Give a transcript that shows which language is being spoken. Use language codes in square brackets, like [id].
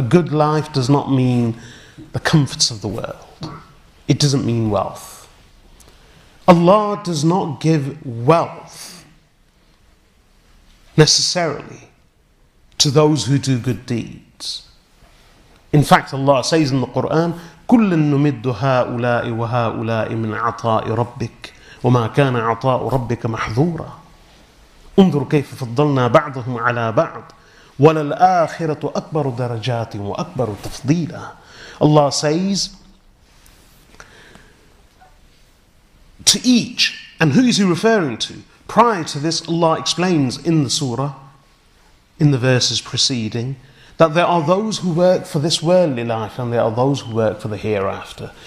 [en] A good life does not mean the comforts of the world. It doesn't mean wealth. Allah does not give wealth necessarily to those who do good deeds. In fact, Allah says in the Quran, [ar] كُلٌّ نُمِدُّ هَؤُلَاءِ وَهَؤُلَاءِ مِنْ عَطَاءِ رَبِّكَ وَمَا كَانَ عَطَاءُ رَبِّكَ مَحْظُورًا. انظر كيف فضلنا بعضهم على بعض وللآخرة أكبر درجات وأكبر تفضيلا. [en] Allah says, to each, and who is he referring to? Prior to this, Allah explains in the surah, in the verses preceding, that there are those who work for this worldly life and there are those who work for the hereafter.